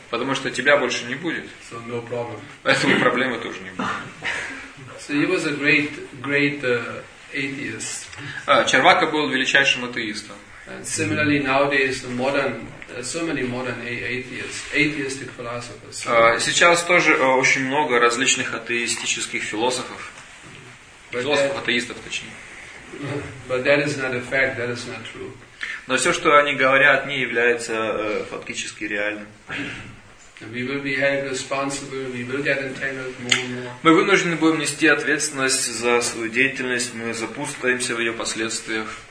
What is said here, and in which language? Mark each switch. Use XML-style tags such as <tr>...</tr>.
<ru>Потому что тебя больше не будет.</ru> <en>So no problem.</en> <ru>Поэтому проблемы тоже не будет.</ru> <en>So he was a great atheist.</en> <ru>Чарвака был величайшим атеистом.</ru> <en>And similarly, nowadays the modern so many modern atheistic philosophers.</en> <ru>Сейчас тоже очень много различных атеистических философов. Философов-атеистов, точнее.</ru> <en>But that is not a fact. That is not true.</en> <ru>Но все, что они говорят, не является фактически реальным. Мы вынуждены будем нести ответственность за свою деятельность, мы запутаемся в ее последствиях.</ru>